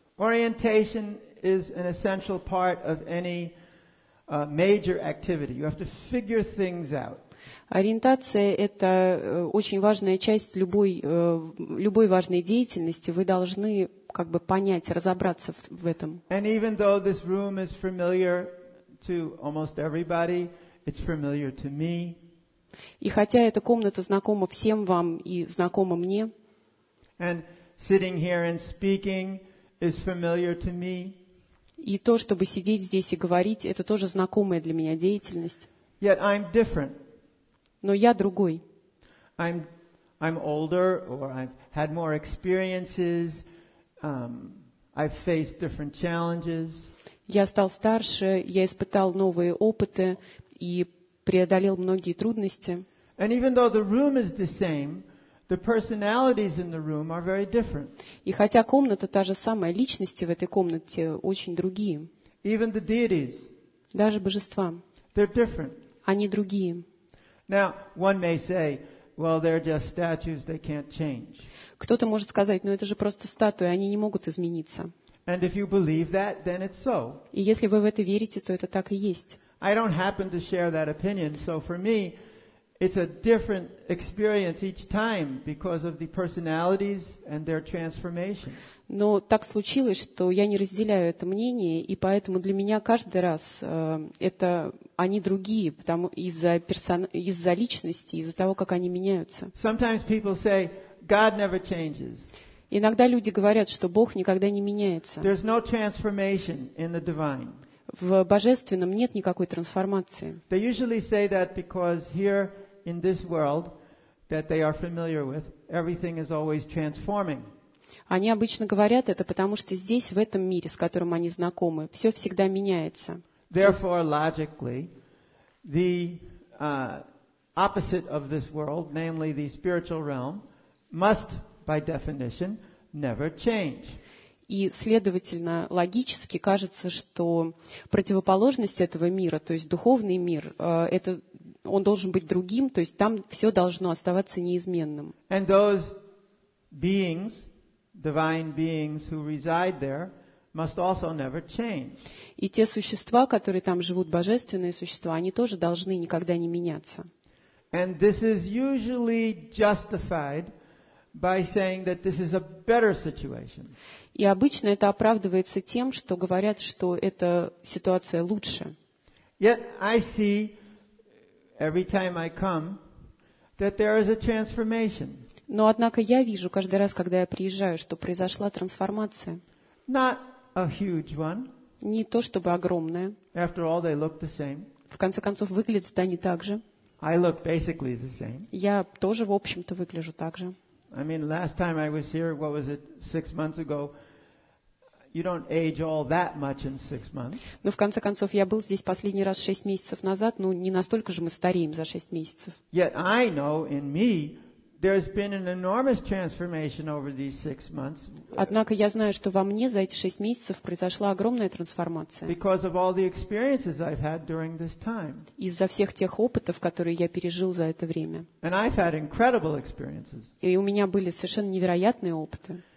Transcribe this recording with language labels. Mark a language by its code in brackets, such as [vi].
[en] Orientation is an essential part of any major activity. You have to figure things out. [ru] Ориентация – это очень важная часть любой важной деятельности. Вы должны как бы понять, разобраться в этом. [en] And even though this room is familiar to almost everybody, it's familiar to me. [ru] И хотя эта комната знакома всем вам и знакома мне. [en] And sitting here and speaking is familiar to me. [ru] И то, чтобы сидеть здесь и говорить, это тоже знакомая для меня деятельность. [en] Yet I'm different. [ru] Но я другой. [en] I'm older, or I've had more experiences. I've faced different challenges. [ru] Я стал старше, я испытал новые опыты и преодолел многие трудности. [en] And even though the room is the same, the personalities in the room are very different. [ru] И хотя комната та же самая, личности в этой комнате очень другие. [en] Even the deities. [ru] Даже божества. [en] They're different. [ru] Они другие. [en] Now, one may say, well, they're just statues, they can't change. [ru] Кто-то может сказать, ну это же просто статуи, они не могут измениться. [en] And if you believe that, then it's so. [ru] И если вы в это верите, то это так и есть. [en] I don't happen to share that opinion, so for me it's a different experience each time because of the personalities and their transformation. [ru] Но так случилось, что я не разделяю это мнение, и поэтому для меня каждый раз это они другие, потому из-за личности, из-за того, как они меняются. [en] Sometimes people say God never changes. [ru] Иногда люди говорят, что Бог никогда не меняется. [en] There's no transformation in the divine. [ru] В божественном нет никакой трансформации. [en] They usually say that because here in this world that they are familiar with, everything is always transforming. [ru] Они обычно говорят это, потому что здесь, в этом мире, с которым они знакомы, все всегда меняется. [en] Therefore, logically, the opposite of this world, namely the spiritual realm, must, by definition, never change. [ru] И, следовательно, логически кажется, что противоположность этого мира, то есть духовный мир, это, он должен быть другим, то есть там все должно оставаться неизменным. [en] And those beings, divine beings who reside there, must also never change. [ru] И те существа, которые там живут, божественные существа, они тоже должны никогда не меняться. [en] And this is usually justified by saying that this is a better situation. [ru] И обычно это оправдывается тем, что говорят, что эта ситуация лучше. [en] Yet I see every time I come that there is a transformation. [ru] Но однако я вижу каждый раз, когда я приезжаю, что произошла трансформация. [en] Not a huge one. [ru] Не то чтобы огромная. [en] After all, they look the same. [ru] В конце концов, выглядят они так же. [en] I look basically the same. [ru] Я тоже, в общем-то, выгляжу так же. [en] I mean, last time I was here, what was it, 6 months ago? You don't age all that much in 6 months. [ru] Но в конце концов, я был здесь последний раз 6 месяцев назад, ну не настолько же мы стареем за 6 месяцев. [en] Yet I know in me there's been an enormous transformation over these 6 months. [ru] Однако я знаю, что во мне за эти 6 месяцев произошла огромная трансформация. [en] Because of all the experiences I've had during this time. [ru] Из-за всех тех опытов, которые я пережил за это время. [en] And I've had incredible experiences. [ru] И у меня были совершенно невероятные опыты.